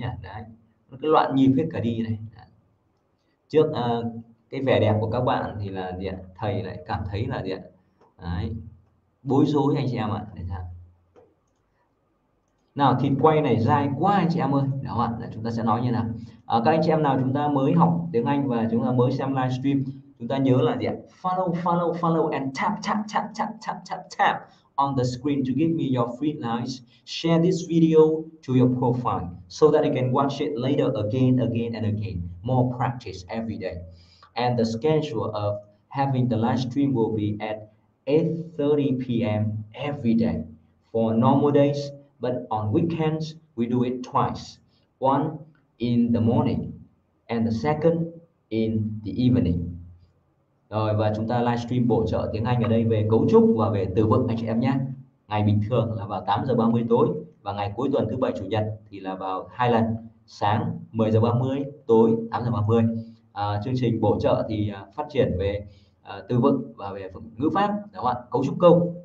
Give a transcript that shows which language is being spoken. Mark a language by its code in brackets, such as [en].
[vi] Đấy, cái loạn nhịp hết cả đi này. Trước cái vẻ đẹp của các bạn thì là gì ạ? Thầy lại cảm thấy là gì ạ? Đấy, bối rối anh chị em ạ. Đấy, nào thịt quay này dài quá anh chị em ơi, đúng không ạ? Chúng ta sẽ nói như nào? À, các anh chị em nào chúng ta mới học tiếng Anh và chúng ta mới xem livestream, chúng ta nhớ là gì ạ? [en] Follow and tap on the screen to give me your free likes, share this video to your profile so that I can watch it later again, more practice every day. And the schedule of having the live stream will be at 8:30 p.m. every day for normal days, but on weekends we do it twice, one in the morning and the second in the evening. [vi] Rồi, và chúng ta livestream bổ trợ tiếng Anh ở đây về cấu trúc và về từ vựng anh chị em nhé. Ngày bình thường là vào 8:30 tối và ngày cuối tuần thứ bảy chủ nhật thì là vào hai lần, sáng 10:30 tối 8:30. Chương trình bổ trợ thì phát triển về từ vựng và về ngữ pháp, đúng không ạ? Cấu trúc câu.